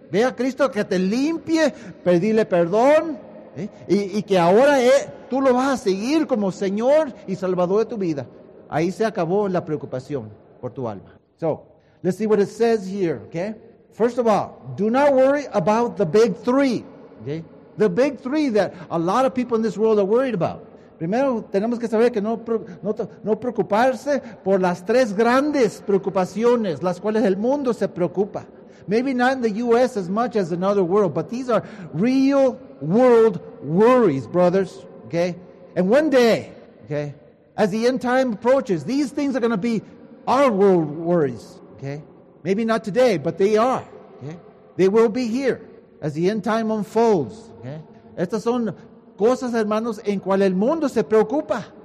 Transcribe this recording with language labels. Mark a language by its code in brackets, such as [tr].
[es] Ve a Cristo que te limpie, pedirle perdón, ¿eh? Y que ahora tú lo vas a seguir como Señor y Salvador de tu vida. Ahí se acabó la preocupación por tu alma. [en] So, let's see what it says here, okay? First of all, do not worry about the big three, okay? The big three that a lot of people in this world are worried about. [es] Primero, tenemos que saber que no preocuparse por las tres grandes preocupaciones las cuales el mundo se preocupa. [en] Maybe not in the U.S. as much as in other world, but these are real world worries, brothers, okay? And one day, okay, as the end time approaches, these things are going to be our world worries, okay? Maybe not today, but they are. Okay? They will be here as the end time unfolds. Okay? [es] Estas son cosas, hermanos, en cual el mundo se preocupa.